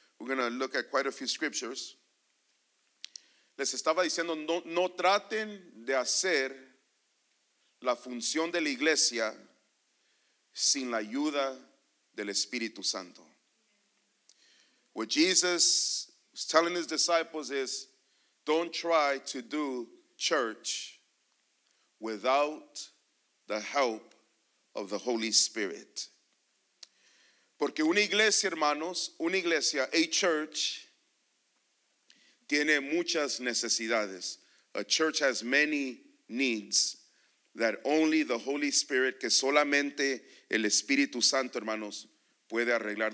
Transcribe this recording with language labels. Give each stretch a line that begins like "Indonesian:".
English: We're going to look at quite a few scriptures.
Spanish: Les estaba diciendo, no traten de hacer la función de la iglesia sin la ayuda del Espíritu Santo.
English: What Jesus was telling his disciples is, don't try to do church without the help of the Holy Spirit.
Spanish: Porque una iglesia, hermanos, una iglesia,
English: a church,
Spanish: tiene muchas necesidades.
English: A church has many needs that only the Holy Spirit,
Spanish: que solamente el Espíritu Santo, hermanos,
English: puede arreglar.